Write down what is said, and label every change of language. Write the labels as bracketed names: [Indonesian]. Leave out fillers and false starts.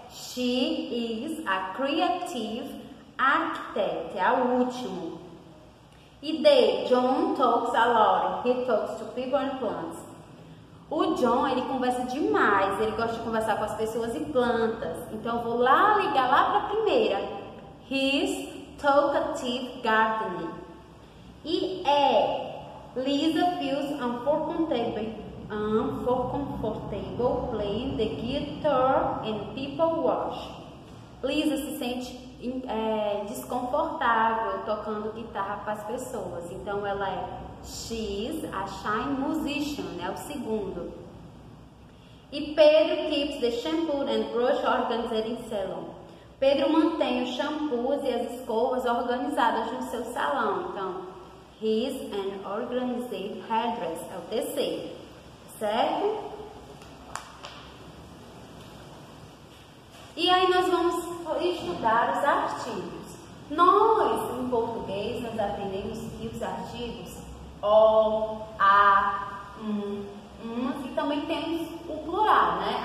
[English] She is a creative architect, [Portuguese] é a última. [English] E D. John talks a lot. He talks to people and plants. [Portuguese] O John, ele conversa demais. Ele gosta de conversar com as pessoas e plantas. Então, eu vou lá ligar lá para a primeira. [English] He's talkative gardener. E E. Lisa feels uncomfortable playing the guitar and people watch. [Portuguese] Lisa se sente desconfortável tocando guitarra para as pessoas. Então, ela é [English] she's a shy musician, [Portuguese] né? O segundo. [English] E Pedro keeps the shampoo and brush organized in salon. [Portuguese] Pedro mantém os shampoos e as escovas organizadas no seu salão. Então, [English] he's an organized hairdresser. [Portuguese] É o terceiro. Certo? E aí nós vamos estudar os artigos. Nós, em português, nós aprendemos que os artigos O, A, um, e também temos o plural, né?